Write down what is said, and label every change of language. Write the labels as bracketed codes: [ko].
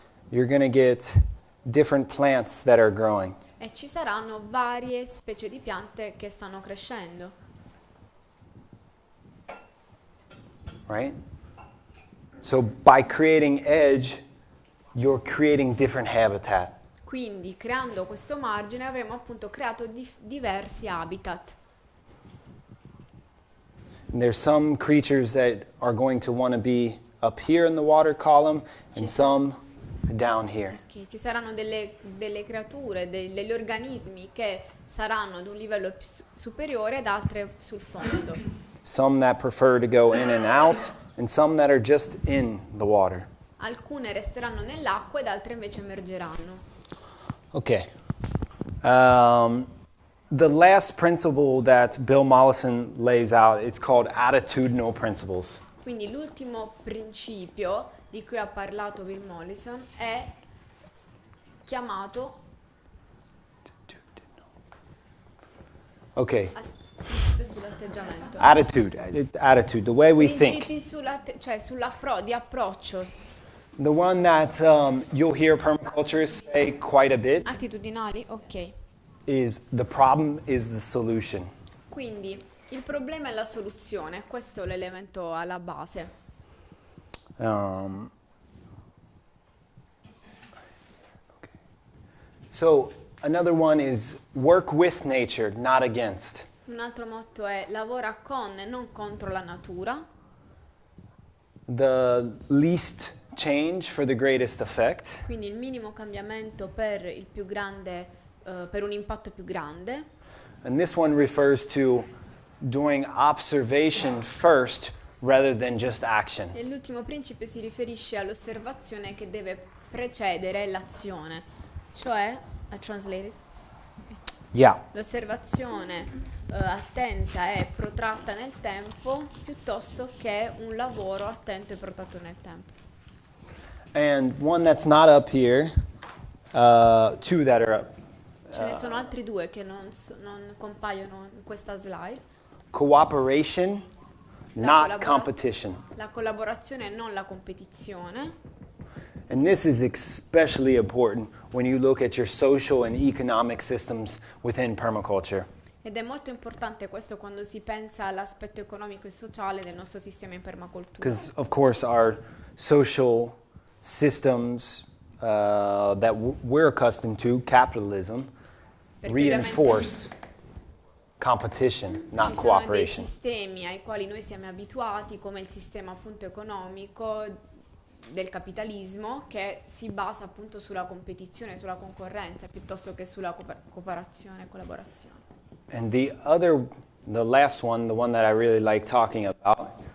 [en] you're going to get different plants that are growing. [it] E ci saranno varie specie di piante che stanno crescendo. [en] Right? So by creating edge, you're creating different habitat. [it] Quindi creando questo margine avremo appunto creato diversi habitat. [en] And there's some creatures that are going to want to be up here in the water column and some down here. Okay. [it] Ci saranno delle creature, degli organismi che saranno ad un livello superiore ed altre sul fondo. [en] Some that prefer to go in and out, and some that are just in the water. [it] Alcune resteranno nell'acqua ed altre invece emergeranno. Okay. [en] The last principle that Bill Mollison lays out, it's called attitudinal principles. [it] Quindi l'ultimo principio di cui ha parlato Bill Mollison è chiamato Okay. Sull'atteggiamento. [en] Attitude, the way we [it] principi [en] think. [it] Cioè di approccio. [en] The one that you'll hear permaculturists say quite a bit. [it] Attitudinali, okay. [en] Is the problem is the solution. [it] Quindi il problema è la soluzione, questo è l'elemento alla base. Okay. [en] So another one is work with nature, not against. [it] Un altro motto è lavora con e non contro la natura. [en] The least change for the greatest effect. [it] Quindi il minimo cambiamento per il più grande per un impatto più grande. [en] And this one refers to doing observation first rather than just action. [it] E l'ultimo principio si riferisce all'osservazione che deve precedere l'azione. Cioè [en] a translate it. Yeah. [it] L'osservazione attenta e protratta nel tempo piuttosto che un lavoro attento e protratto nel tempo. [en] And one that's not up here, two that are up. [it] Ce ne sono altri due che non compaiono in questa slide. [en] Cooperation, not competition. [it] La collaborazione, non la competizione. [en] And this is especially important when you look at your social and economic systems within permaculture. Ed è molto importante questo quando si pensa all'aspetto economico e sociale del nostro sistema in permacultura. Because of course our social systems that we're accustomed to, capitalism, [it] perché [en] reinforce competition, not [it] ci [en] cooperation. [it] Ci sono dei sistemi ai quali noi siamo abituati, come il sistema appunto economico del capitalismo, che si basa appunto sulla competizione, sulla concorrenza, piuttosto che sulla cooperazione, collaborazione. [en] And the other, the last one, the one that I really like talking about,